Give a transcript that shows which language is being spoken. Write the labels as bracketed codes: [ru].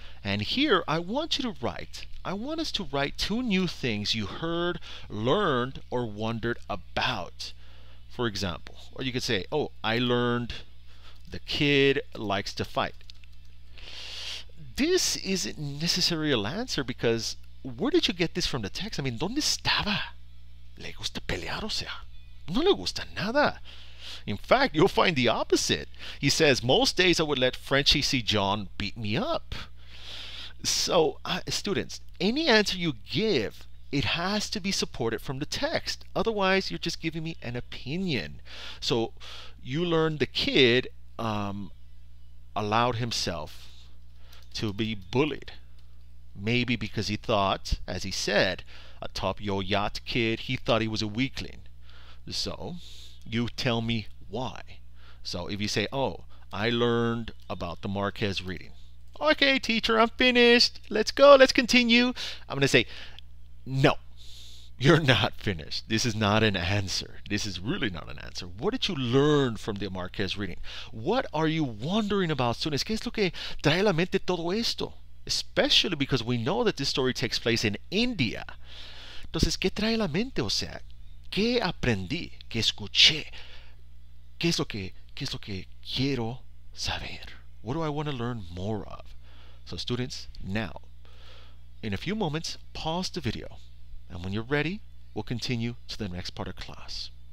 [en] And here, I want us to write two new things you heard, learned, or wondered about. For example, or you could say, oh, I learned the kid likes to fight. This isn't necessarily a Lancer because where did you get this from the text? I mean, [es] ¿dónde estaba? Le gusta pelear, o sea, no le gusta nada. [en] In fact, you'll find the opposite. He says, most days I would let Frenchie see John beat me up. So, students, any answer you give, it has to be supported from the text. Otherwise, you're just giving me an opinion. So, you learned the kid allowed himself to be bullied. Maybe because he thought, as he said, atop your yacht kid, he thought he was a weakling. So, you tell me why. So, if you say, oh, I learned about the Marquez reading. Okay, teacher, I'm finished. Let's go. Let's continue. I'm going to say, no, you're not finished. This is not an answer. This is really not an answer. What did you learn from the Marquez reading? What are you wondering about, students? [es] ¿Qué es lo que trae la mente todo esto? [en] Especially because we know that this story takes place in India. [es] Entonces, ¿qué trae la mente? O sea, ¿qué aprendí? ¿Qué escuché? ¿Qué es lo que quiero saber? [en] What do I want to learn more of? So, students, now, in a few moments, pause the video, and when you're ready, we'll continue to the next part of class.